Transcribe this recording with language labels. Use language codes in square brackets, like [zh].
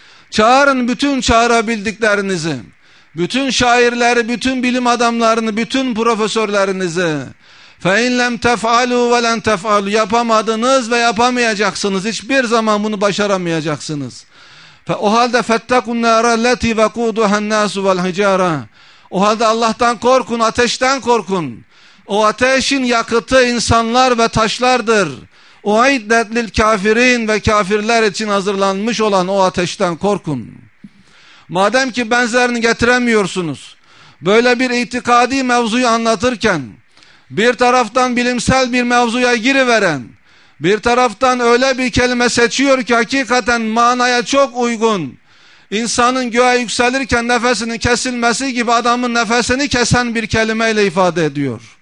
[tr] Çağırın bütün çağırabildiklerinizi, bütün şairleri, bütün bilim adamlarını, bütün profesörlerinizi. [ar] فَاِنْ لَمْ تَفْعَلُوا وَلَنْ تَفْعَلُوا. [tr] Yapamadınız ve yapamayacaksınız. Hiçbir zaman bunu başaramayacaksınız. O halde [ar] فَاتَّقُوا النَّارَ الَّتِي وَقُودُهَا النَّاسُ وَالْحِجَارَ. [tr] O halde Allah'tan korkun, ateşten korkun. O ateşin yakıtı insanlar ve taşlardır. [ar] اُعِدَّتْ لِلْكَافِرِينَ. [tr] Ve kafirler için hazırlanmış olan o ateşten korkun. Madem ki benzerini getiremiyorsunuz, böyle bir itikadi mevzuyu anlatırken, bir taraftan bilimsel bir mevzuya giriveren, bir taraftan öyle bir kelime seçiyor ki hakikaten manaya çok uygun, insanın göğe yükselirken nefesinin kesilmesi gibi adamın nefesini kesen bir kelimeyle ifade ediyor.